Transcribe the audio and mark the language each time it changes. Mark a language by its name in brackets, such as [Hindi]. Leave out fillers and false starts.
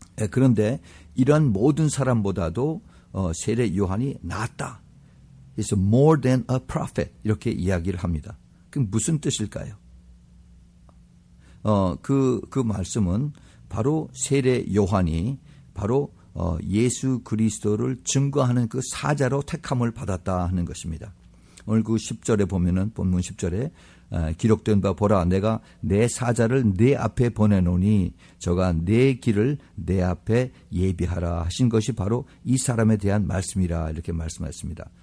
[Korean] 그런데 이런 모든 사람보다도 세례 요한이 낫다. [English] He's more than a prophet [Korean] 이렇게 이야기를 합니다. 그럼 무슨 뜻일까요? 그 말씀은 바로 세례 요한이 바로 예수 그리스도를 증거하는 그 사자로 택함을 받았다 하는 것입니다. 오늘 그 10절에 보면은 본문 10절에 기록된 바 보라 내가 내 사자를 내 앞에 보내노니 저가 내 길을 내 앞에 예비하라 하신 것이 바로 이 사람에 대한 말씀이라 이렇게 말씀하셨습니다.